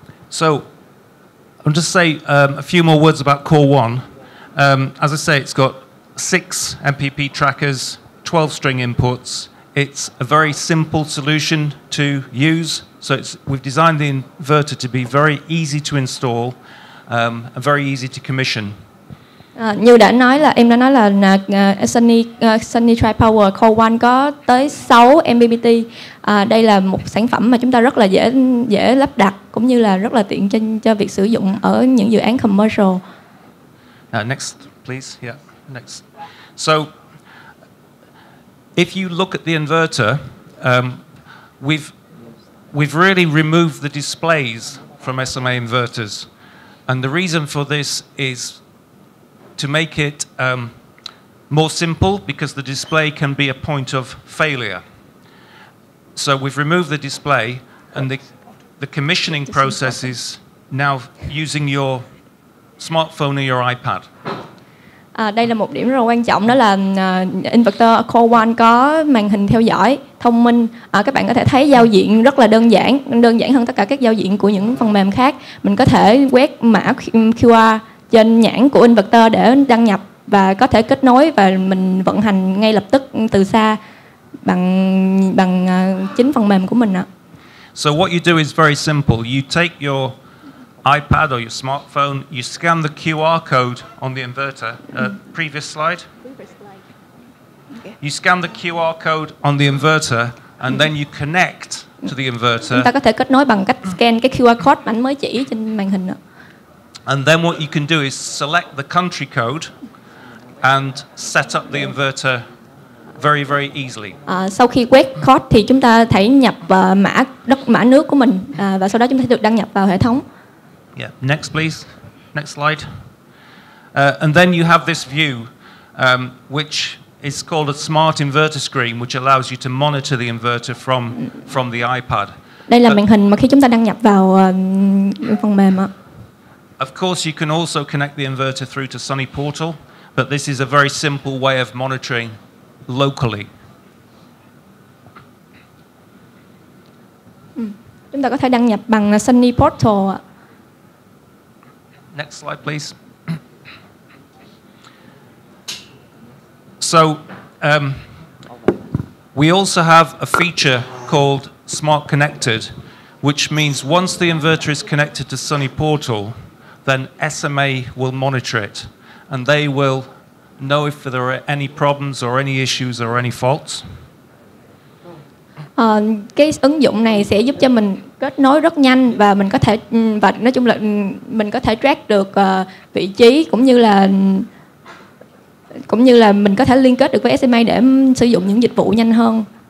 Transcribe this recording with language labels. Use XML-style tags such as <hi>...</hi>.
<en>So, I'll just say a few more words about Core 1. As I say, it's got 6 MPP trackers, 12 string inputs. It's a very simple solution to use. So, we've designed the inverter to be very easy to install and very easy to commission.</en> <vi>Như đã nói là em đã nói là Sunny Tri Power Core One có tới 6 MPPT. Đây là một sản phẩm mà chúng ta rất là dễ lắp đặt cũng như là rất là tiện cho việc sử dụng ở những dự án commercial.</vi> <en>Next please. Yeah. Next. So if you look at the inverter, we've really removed the displays from SMA inverters. And the reason for this is to make it more simple, because the display can be a point of failure. So we've removed the display, and the commissioning process is now using your smartphone or your iPad.</en> <vi>Đây là một điểm rất là quan trọng, đó là inverter Core One có màn hình theo dõi thông minh. Các bạn có thể thấy giao diện rất là đơn giản hơn tất cả các giao diện của những phần mềm khác. Mình có thể quét mã QR trên nhãn của inverter để đăng nhập và có thể kết nối và mình vận hành ngay lập tức từ xa bằng chính phần mềm của mình ạ.</vi> <en>So what you do is very simple. You take your iPad or your smartphone, you scan the QR code on the inverter. Previous slide. You scan the QR code on the inverter and then you connect to the inverter.</en> <vi>Chúng ta có thể kết nối bằng cách scan cái QR code ảnh mới chỉ trên màn hình ạ.</vi> <en>And then what you can do is select the country code and set up the inverter very very easily.</en> <vi>Sau khi quét code thì chúng ta thể nhập mã đất mã nước của mình và sau đó chúng ta được đăng nhập vào hệ thống.</vi> <en>Yeah, next please. Next slide. And then you have this view which is called a smart inverter screen which allows you to monitor the inverter from the iPad.</en> <vi>Đây là màn hình mà khi chúng ta đăng nhập vào phần mềm ạ.</vi> <en>Of course you can also connect the inverter through to Sunny Portal, but this is a very simple way of monitoring locally.</en> <vi>Chúng ta có thể đăng nhập bằng Sunny Portal.</vi> <en>Next slide please. So we also have a feature called Smart Connected, which means once the inverter is connected to Sunny Portal, then SMA will monitor it and they will know if there are any problems or any issues or any faults.</en> <vi>Cái ứng dụng này sẽ giúp cho mình kết nối rất nhanh và mình có thể và nói chung là mình có thể track được vị trí cũng như là mình có thể liên kết được với SMA để sử dụng những dịch vụ nhanh hơn.</vi>